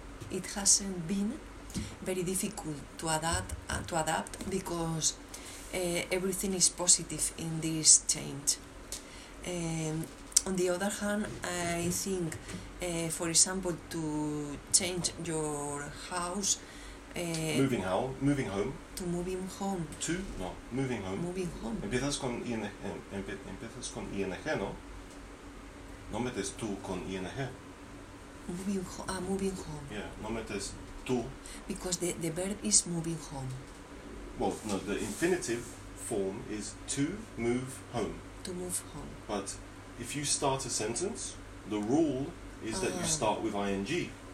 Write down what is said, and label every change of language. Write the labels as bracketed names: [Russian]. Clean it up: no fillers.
[English] It hasn't been very difficult to adapt because everything is positive in this change. On the other hand, I think, for example, to change your house Moving how? Moving home. To moving home. To? No, moving home. Moving home. [Spanish] Empiezas con ing, empiezas con ing, ¿no? No metes tú con ing. [English] Moving home. Ah, moving home. [Spanish] Yeah, no metes tú. [English] Because the verb is moving home. Well, no, the infinitive form is to move home. To move home. But if you start a sentence, the rule is that you start with ing.